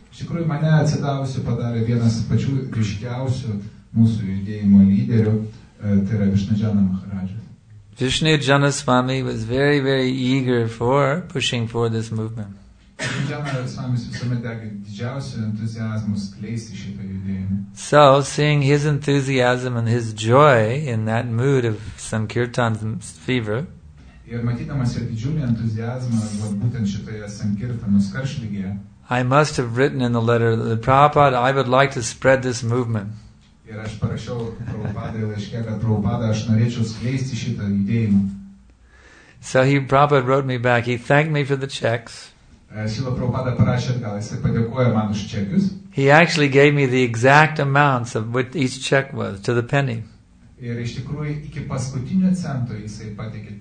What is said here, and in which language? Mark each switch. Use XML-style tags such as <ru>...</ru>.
<lt>Iš tikrųjų, mane atsidavusiu padarė vienas pačių ryškiausių mūsų judėjimo lyderių, tai yra Vishnu Jana Maharaj.</lt> <en>Vishnu Jana Swami was very, very eager for pushing for this movement.</en> <lt>Vishnu Jana Swami visuomet degė didžiausiu entuziazmu skleisti šitą judėjimą.</lt> <en>So, seeing his enthusiasm and his joy in that mood of Sankirtan's fever,</en> <lt>Ir matydamas jo didžiulį entuziazmą, vat būtent šitoje sankirtanos karšlygėje,</lt> <en>I must have written in the letter that the Prabhupada, I would like to spread this movement.</en> <lt>Ir aš parašiau Prabhupada laiške, kad Prabhupada, aš norėčiau skleisti šitą judėjimą.</lt> <en>So he, Prabhupada wrote me back, he thanked me for the checks.</en> <lt>Šilo Prabhupada parašė atgal, jisai padėkojo man už čekius.</lt> <en>He actually gave me the exact amounts of what each check was, to the penny.</en> <lt>Ir iš tikrųjų, iki paskutinio cento jisai pateikė.</lt>